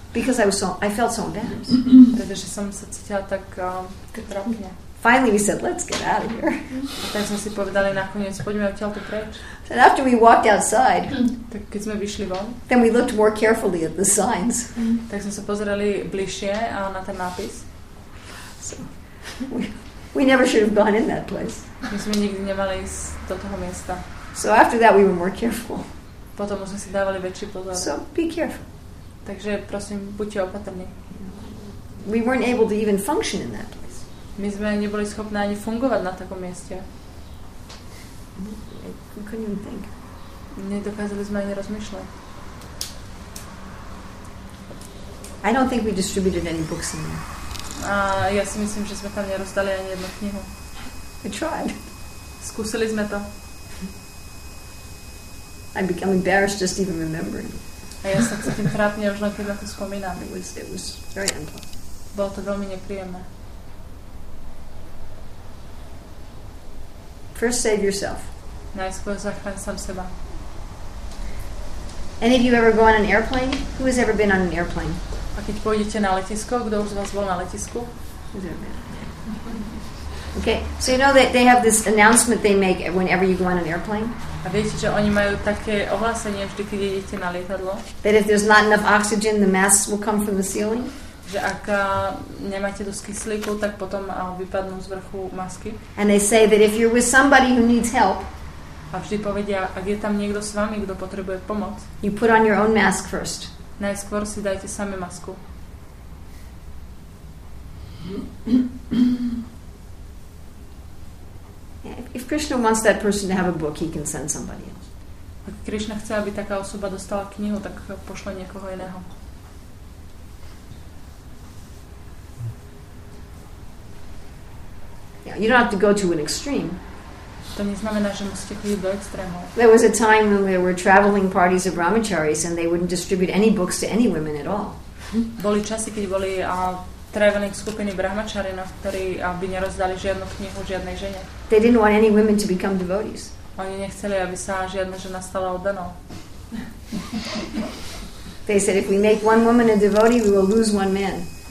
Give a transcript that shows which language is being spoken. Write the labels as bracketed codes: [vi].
[en] Because I felt so embarrassed. [sk] Pretože som sa cítila tak trápne. [en] Finally we said, let's get out of here. [sk] A tak sme si povedali nakoniec, poďme odtiaľto preč. [en] And after we walked outside, [sk] tak keď sme vyšli von, [en] then we looked more carefully at the signs. [sk] Tak sme sa pozerali bližšie a na ten nápis. [en] So, we never should have gone in that place. [sk] My sme nikdy nemali ísť do toho miesta. [en] So after that we were more careful. [sk] Potom sme si dávali väčší pozor. [en] So be careful. [sk] Takže prosím, buďte opatrní. [en] We weren't able to even function in that place. [sk] My sme neboli schopné ani fungovať na takom mieste. [en] We couldn't even think. [sk] Nedokázali sme ani rozmýšľať. [en] I don't think we distributed any books in there. [sk] A ja si myslím, že sme tam nerozdali ani jednu knihu. [en] We tried. [sk] Skúsili sme to. [en] I became embarrassed just even remembering. [sk] A ja sa cítim trápne už len keď na to spomínam. [en] It was very unpleasant. [sk] Bolo to veľmi nepríjemné. [en] First save yourself. [sk] Najskôr zachraň sám seba. [en] Any of you ever go on an airplane? Who has ever been on an airplane? [sk] A keď pôjdete na letisko, kto už z vás bol na letisku? [en] Okay, so you know that they have this announcement they make whenever you go on an airplane? [sk] A viete, že oni majú také ohlásenie vždy, keď idete na lietadlo? [en] That if there's not enough oxygen, the masks will come from the ceiling? [sk] Že ak nemáte dosť kyslíku, tak potom vypadnú z vrchu masky. [en] And they say that if you're with somebody who needs help, [sk] a vždy povedia, ak je tam niekto s vami, kto potrebuje pomoc, [en] you put on your own mask first. [sk] Najskôr si dajte sami masku. [en] If Krishna wants that person to have a book, he can send somebody else. [sk] Ak Krishna chce, aby taká osoba dostala knihu, tak pošle niekoho iného. [en] You don't have to go to an extreme. [sk] To neznamená, že musíte chodiť do extrému. [en] There was a time when there were traveling parties of brahmacharis and they wouldn't distribute any books to any women at all. [sk] Boli časy, keď boli [en] traveling [sk] skupiny brahmacharinov, ktorí by nerozdali žiadnu knihu žiadnej žene. [en] They didn't want any women to become devotees. [sk] Oni nechceli, aby sa žiadna žena stala oddanou. [en] They said, if we make one woman a devotee, we will lose one man.